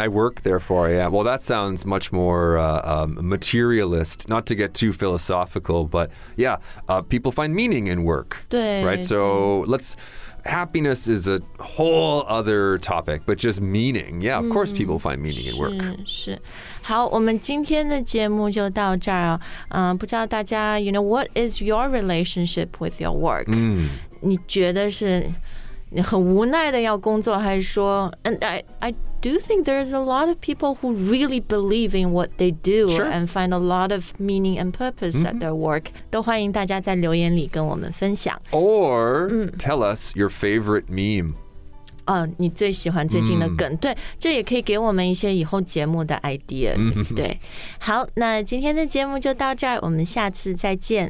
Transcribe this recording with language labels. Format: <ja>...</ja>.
<en>I work, therefore I am. Well, that sounds much more materialist, not to get too philosophical, but yeah, people find meaning in work.</en> <zh>对,</zh> <en>right? So let's... Happiness is a whole other topic, but just meaning. Yeah, of course people find meaning in work.</en> <zh>是好，我们今天的节目就到这儿。不知道大家</zh> <en>you know, what is your relationship with your work?</en> <zh>你觉得是很无奈的要工作，还是说</zh> <en>and I do think there's a lot of people who really believe in what they do and find a lot of meaning and purpose at their work.</en> <zh>都欢迎大家在留言里跟我们分享。</zh> <en>Or tell us your favorite meme.</en> <zh>你最喜欢最近的梗。对，这也可以给我们一些以后节目的 idea. 对，好，那今天的节目就到这儿，我们下次再见。</zh>